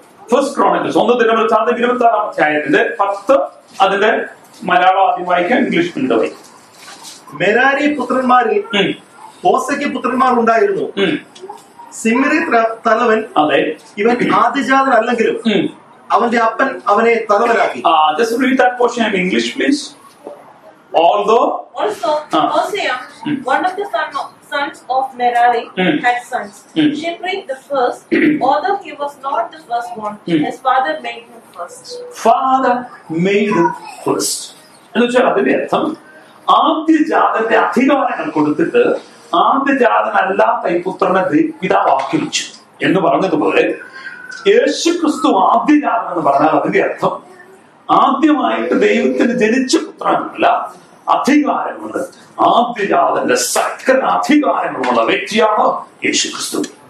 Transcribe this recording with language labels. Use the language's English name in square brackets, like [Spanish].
[Malayalam] First chronicles 1:26, 26 അധ്യായത്തിന്റെ 10, അതിന്റെ മലയാളം ആദ്യം വായിക്കാം, ഇംഗ്ലീഷ് പിന്നീട് വായിക്കും. മെരാരി പുത്രന്മാരിൽ ഹോസയ്ക്ക് പുത്രന്മാർ ഉണ്ടായിരുന്നു. സിമ്രി തലവൻ. അതെ, ഇവൻ ആദിജാതൻ അല്ലെങ്കിലും അവന്റെ അപ്പൻ അവനെ തലവനാക്കി. [English] Just read that portion in English, please. Although also Hosea, one of the sons of Merari had sons. Shimri the first, although he was not the firstborn, his father made him first. Father made him first. [Malayalam] എന്ന് വെച്ചാൽ അതിന്റെ അർത്ഥം ആദ്യജാതന്റെ അധികാരങ്ങൾ കൊടുത്തിട്ട് ആദ്യജാതനല്ലാത്ത ഈ പുത്രനെ പിതാവാക്കി വെച്ചു എന്ന് പറഞ്ഞതുപോലെ യേശു ക്രിസ്തു ആദ്യജാതൻ എന്ന് പറഞ്ഞാൽ അതിന്റെ അർത്ഥം ആദ്യമായിട്ട് ദൈവത്തിന് ജനിച്ച പുത്രനല്ല, അധികാരമുണ്ട്, ആദ്യജാതന്റെ സകല അധികാരങ്ങളുമുള്ള വ്യക്തിയാണ് യേശു ക്രിസ്തു.